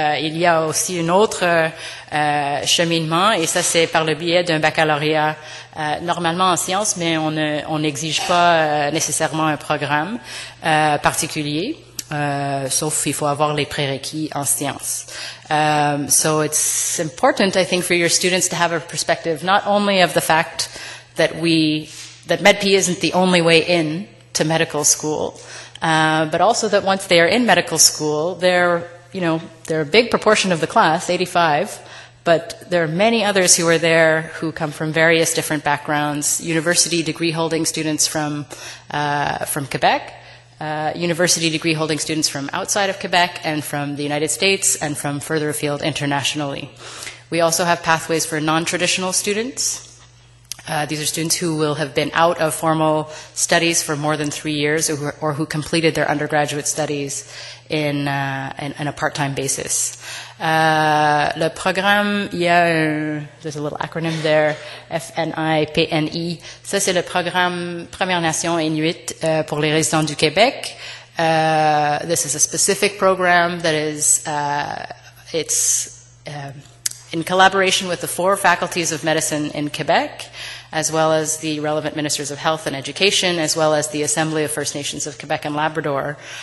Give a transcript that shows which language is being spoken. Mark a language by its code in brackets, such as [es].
[fr] Il y a aussi un autre cheminement et ça c'est par le biais d'un baccalauréat normalement en sciences, mais on n'exige pas nécessairement un programme particulier. Sauf il faut avoir les prérequis en sciences. [en] So it's important, I think, for your students to have a perspective not only of the fact that MedPay isn't the only way in to medical school, but also that once they are in medical school, they're a big proportion of the class, 85, but there are many others who are there who come from various different backgrounds, university degree-holding students from Quebec, university degree holding students from outside of Quebec and from the United States and from further afield internationally. We also have pathways for non-traditional students. These are students who will have been out of formal studies for more than 3 years or who completed their undergraduate studies in a part-time basis. [fr] Le programme, [en] there's a little acronym there, FNIPNI. [fr] Ça, c'est le programme Première Nation Inuit pour les résidents du Québec. [en] This is a specific program that is, in collaboration with the four faculties of medicine in Quebec, as well as the relevant ministers of health and education, as well as the Assembly of First Nations of Quebec and Labrador.